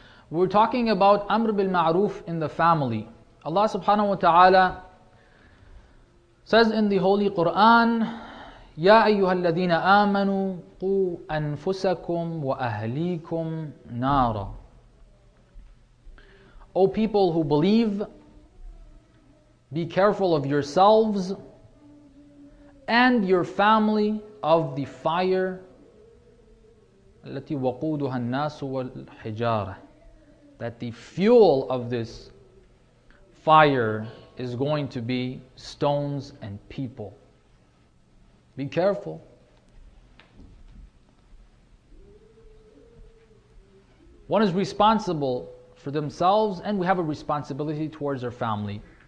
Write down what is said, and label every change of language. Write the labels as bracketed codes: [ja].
[en] We're talking about Amr bil Ma'ruf in the family. Allah subhanahu wa ta'ala says in the Holy Quran, [ar] يَا أَيُّهَا الَّذِينَ آمَنُوا قُوا أَنفُسَكُمْ وَأَهْلِيكُمْ نَارًا. [en] O people who believe, be careful of yourselves and your family of the fire. [ar] التي وقودها الناس والحجارة. [en] That the fuel of this fire is going to be stones and people. Be careful. One is responsible for themselves, and we have a responsibility towards our family.